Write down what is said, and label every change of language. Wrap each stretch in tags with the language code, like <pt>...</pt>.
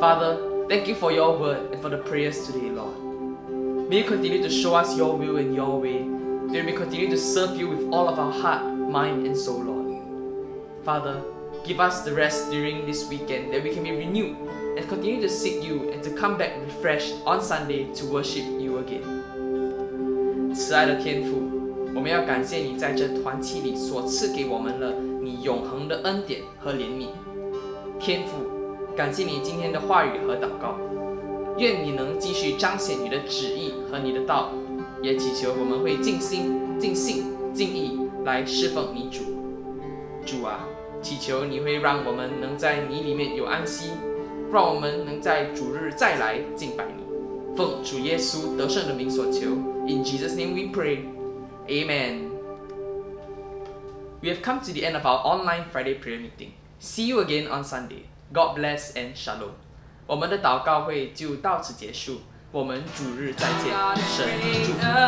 <en>Father, thank you for your word and for the prayers today, Lord. May you continue to show us your will and your way, that we may continue to serve you with all of our heart, mind, and soul, Lord. Father, give us the rest during this weekend that we can be renewed and continue to seek you and to come back refreshed on Sunday to worship you again.</en> <zh>慈爱的天父, 我们要感谢你在这团契里所赐给我们了你永恒的恩典和怜悯。天父，感谢你今天的话语和祷告。愿你能继续彰显你的旨意和你的道，也祈求我们会尽心、尽性、尽意来侍奉你主。主啊，祈求你会让我们能在你里面有安息，让我们能在主日再来敬拜你。奉主耶稣得胜的名所求。</zh> <en>In Jesus' name we pray. Amen. We have come to the end of our online Friday prayer meeting. See you again on Sunday. God bless and shalom.</en> <zh>我们的祷告会就到此结束。我们主日再见。神祝福。</zh>